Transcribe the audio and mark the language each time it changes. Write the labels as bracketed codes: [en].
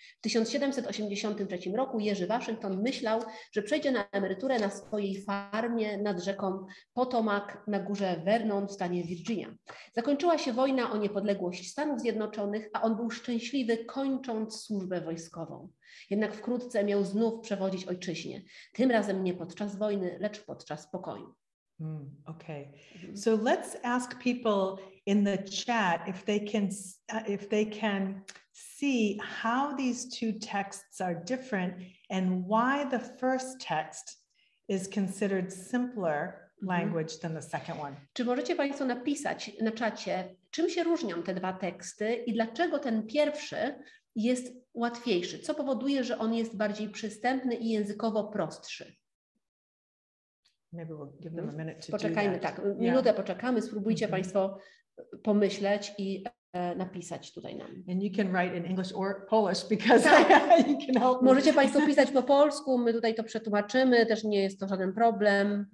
[pl] W 1783 roku Jerzy Waszyngton myślał, że przejdzie na emeryturę na swojej farmie nad rzeką Potomac na górze Vernon w stanie Virginia. Zakończyła się wojna o niepodległość Stanów Zjednoczonych, a on był szczęśliwy, kończąc służbę wojskową. Jednak wkrótce miał znów przewodzić ojczyźnie, tym razem nie podczas wojny, lecz podczas pokoju. [en] Okay, so let's ask people in the chat if they can see how these two texts are different and why the first text is considered simpler language than the second one. [pl] Czy możecie Państwo napisać na czacie, czym się różnią te dwa teksty i dlaczego ten pierwszy jest łatwiejszy? Co powoduje, że on jest bardziej przystępny i językowo prostszy? [en] Maybe we'll give them a minute to [pl] poczekajmy, [en] do that. [pl] Tak, minutę poczekamy, spróbujcie Państwo pomyśleć i napisać tutaj nam. [en] And you can write in English or Polish because you can help. [pl] Możecie Państwo pisać po polsku, my tutaj to przetłumaczymy, też nie jest to żaden problem.